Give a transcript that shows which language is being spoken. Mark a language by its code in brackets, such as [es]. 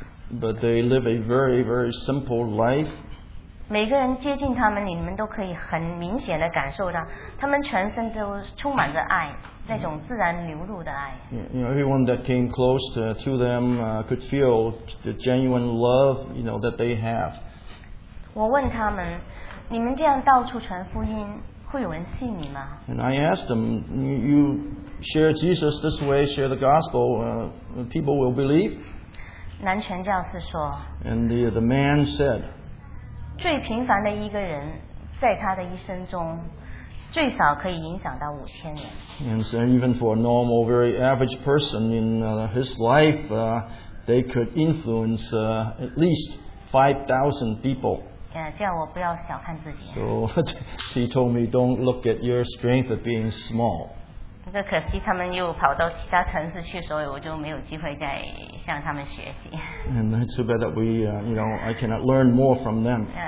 [en] But they live a very, very simple life. [zh] 每个人接近他们，你们都可以很明显的感受到，他们全身都充满着爱，那种自然流露的爱。 [en] You know, everyone that came close to them could feel the genuine love, that they have. [zh] 我问他们，你们这样到处传福音，会有人信你吗？ [en] And I asked them, you share Jesus this way, share the gospel, people will believe. [zh] 男传教士说。 [en] And the man said. [zh] 最平凡的一个人，在他的一生中，最少可以影响到五千人。 [en] And so even for a normal, very average person in his life, they could influence at least 5,000 people. [zh] 叫我不要小看自己。 [en] So he told me, don't look at your strength of being small. [zh] 这可惜他们又跑到其他城市去，所以我就没有机会再向他们学习。 [en] And too bad that we, I cannot learn more from them.